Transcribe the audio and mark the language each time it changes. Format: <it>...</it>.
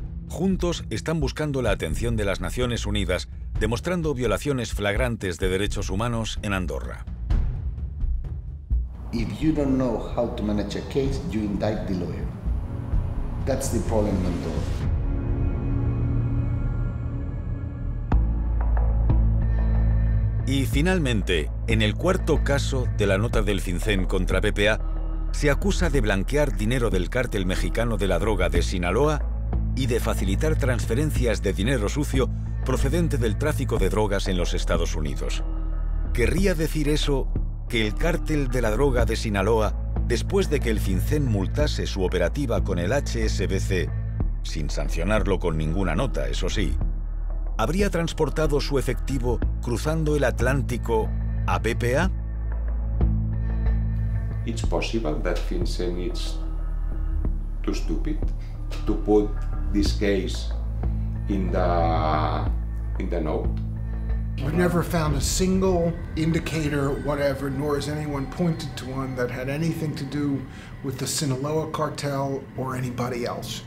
<es>Juntos están buscando la atención de las Naciones Unidas, demostrando violaciones flagrantes de derechos humanos en Andorra.</es> <en>If you don't know how to manage a case, you indict the lawyer. That's the problem in Andorra.</en> <es>Y finalmente, en el cuarto caso de la nota del FinCEN contra BPA, se acusa de blanquear dinero del cártel mexicano de la droga de Sinaloa y de facilitar transferencias de dinero sucio procedente del tráfico de drogas en los Estados Unidos. ¿Querría decir eso que el cártel de la droga de Sinaloa, después de que el FinCEN multase su operativa con el HSBC, sin sancionarlo con ninguna nota, eso sí, habría transportado su efectivo cruzando el Atlántico a BPA?</es> <en>It's possible that FinCEN is too stupid to put this case in the note. We've never found a single indicator, whatever, nor has anyone pointed to one that had anything to do with the Sinaloa cartel or anybody else.</en>